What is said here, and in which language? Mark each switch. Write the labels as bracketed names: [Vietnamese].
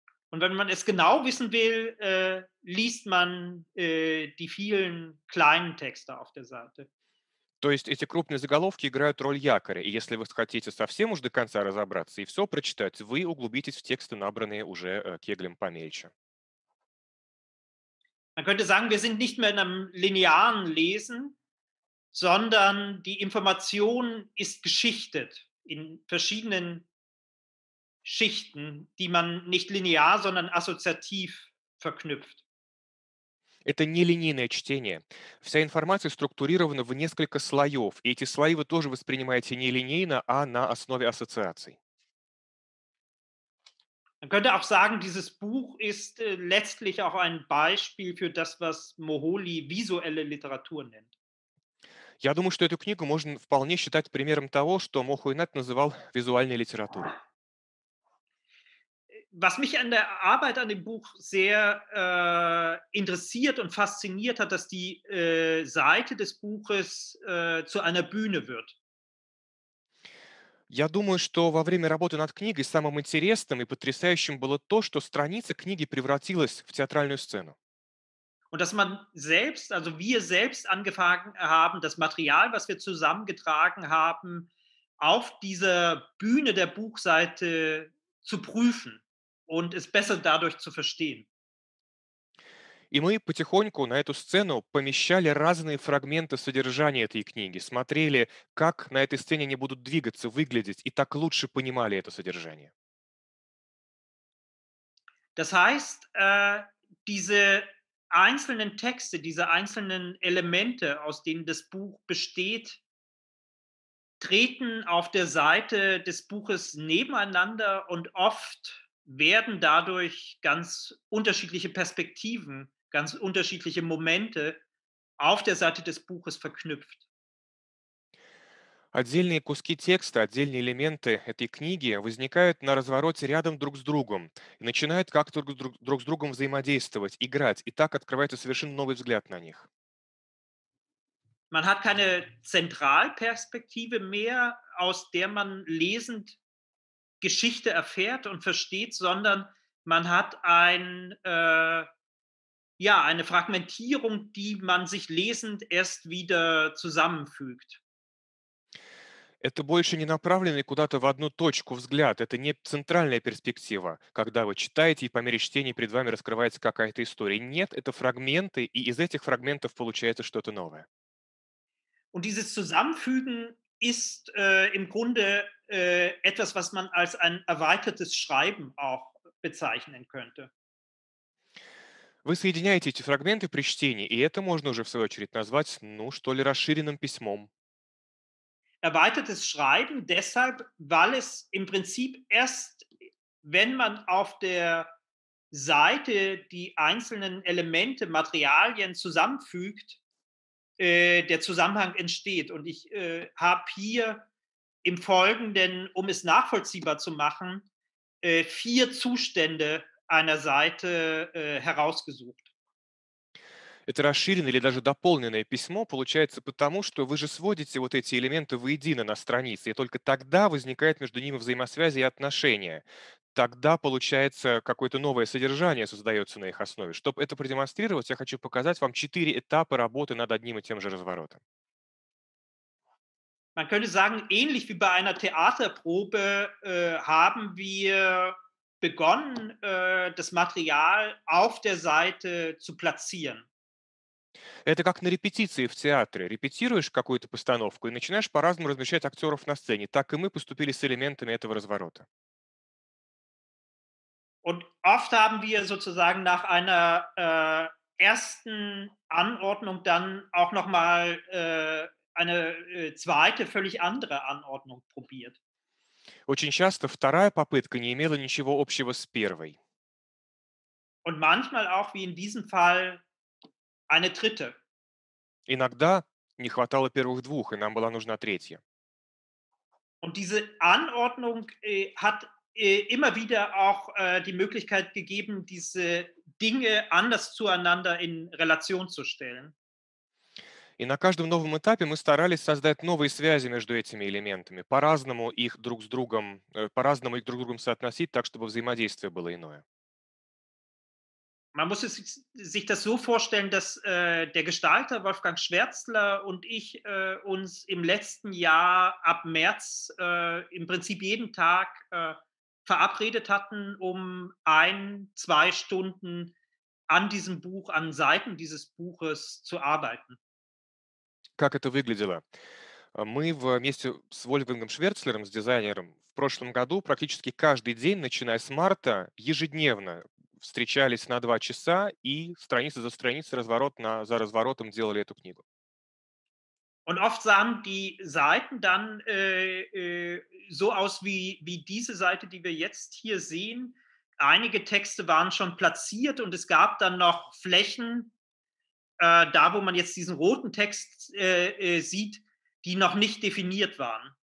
[German] Und wenn man es genau wissen will, liest man die vielen kleinen Texte auf der Seite. [Russian] То есть эти крупные заголовки играют роль якоря. И если вы хотите совсем уж до конца разобраться и все прочитать, вы углубитесь в тексты, набранные уже кеглем помельче. [German] Man könnte sagen, wir sind nicht mehr in einem linearen Lesen, sondern die Information ist geschichtet in verschiedenen Schichten, die man nicht linear, sondern assoziativ verknüpft. [Russian] Это не линейное чтение. Вся информация структурирована в несколько слоев, и эти слои вы тоже воспринимаете не линейно, а на основе ассоциаций. [German] Man könnte auch sagen, dieses Buch ist letztlich auch ein Beispiel für das, was Moholy visuelle Literatur nennt. [Russian] Я думаю, что эту книгу можно вполне считать примером того, что Мухуйнадзь называл визуальной литературой. [German] Was mich an der Arbeit an dem Buch sehr interessiert und fasziniert hat, dass die Seite des Buches zu einer Bühne wird. [Russian] Я думаю, что во время работы над книгой самым интересным и потрясающим было то, что страница книги превратилась в театральную сцену. [German] Und dass man selbst, also wir selbst angefangen haben, das Material, was wir zusammengetragen haben, auf dieser Bühne der Buchseite zu prüfen und es besser dadurch zu verstehen. [Russian] И мы потихоньку на эту сцену помещали разные фрагменты содержания этой книги, смотрели, как на этой сцене они будут двигаться, выглядеть, и так лучше понимали это содержание. [German] Das heißt, diese einzelnen Texte, diese einzelnen Elemente, aus denen das Buch besteht, treten auf der Seite des Buches nebeneinander und oft werden dadurch ganz unterschiedliche Perspektiven, ganz unterschiedliche Momente auf der Seite des Buches verknüpft. [Russian] Отдельные куски текста, отдельные элементы этой книги возникают на развороте рядом друг с другом и начинают как-то друг с другом взаимодействовать, играть, и так открывается совершенно новый взгляд на них. [German] Man hat keine Zentralperspektive mehr, aus der man lesend Geschichte erfährt und versteht, sondern man hat eine Fragmentierung, die man sich lesend erst wieder zusammenfügt. [Russian] Это больше не направленный куда-то в одну точку взгляд, это не центральная перспектива, когда вы читаете, и по мере чтения перед вами раскрывается какая-то история. Нет, это фрагменты, и из этих фрагментов получается что-то новое. [German] Und dieses Zusammenfügen ist im Grunde etwas, was man als ein erweitertes Schreiben auch bezeichnen könnte. [Russian] Вы соединяете эти фрагменты при чтении, и это можно уже в свою очередь назвать, ну, что ли, расширенным письмом. [German] Erweitertes Schreiben deshalb, weil es im Prinzip erst, wenn man auf der Seite die einzelnen Elemente, Materialien zusammenfügt, der Zusammenhang entsteht. Und ich habe hier im Folgenden, um es nachvollziehbar zu machen, vier Zustände einer Seite herausgesucht. [Russian] Это расширенное или даже дополненное письмо получается потому, что вы же сводите вот эти элементы воедино на странице, и только тогда возникает между ними взаимосвязь и отношения. Тогда, получается, какое-то новое содержание создается на их основе. Чтобы это продемонстрировать, я хочу показать вам четыре этапа работы над одним и тем же разворотом. [German] Man könnte sagen, ähnlich wie bei einer Theaterprobe haben wir begonnen, das Material auf der Seite zu platzieren. [Russian] Это как на репетиции в театре. Репетируешь какую-то постановку и начинаешь по-разному размещать актеров на сцене. Так и мы поступили с элементами этого разворота. [German] Und oft haben wir sozusagen nach einer ersten Anordnung dann auch nochmal eine zweite, völlig andere Anordnung probiert. [Russian] Очень часто вторая попытка не имела ничего общего с первой. [German] Und manchmal auch, wie in diesem Fall, eine dritte. [Russian] Иногда не хватало первых двух, и нам была нужна третья. [German] Und diese Anordnung hat immer wieder auch die Möglichkeit gegeben, diese Dinge anders zueinander in Relation zu stellen. [Russian] И на каждом новом этапе мы старались создать новые связи между этими элементами, по-разному их друг с другом, по-разному их друг с другом соотносить, так чтобы взаимодействие было иное. [German] Man muss sich das so vorstellen, dass der Gestalter Wolfgang Schwärzler und ich uns im letzten Jahr ab März im Prinzip jeden Tag verabredet hatten, um 1-2 Stunden an diesem Buch, an Seiten dieses Buches zu arbeiten. [Russian] Как это выглядело? Мы вместе с Вольфгангом Шверцлером, с дизайнером, в прошлом году практически каждый день, начиная с марта, ежедневно встречались на 2 часа и страница за страницей, разворот за разворотом делали эту книгу. [German] Und oft sahen die Seiten dann so aus wie diese Seite, die wir jetzt hier sehen. Einige Texte waren schon platziert und es gab dann noch Flächen, da wo man jetzt diesen roten Text sieht, die noch nicht definiert waren.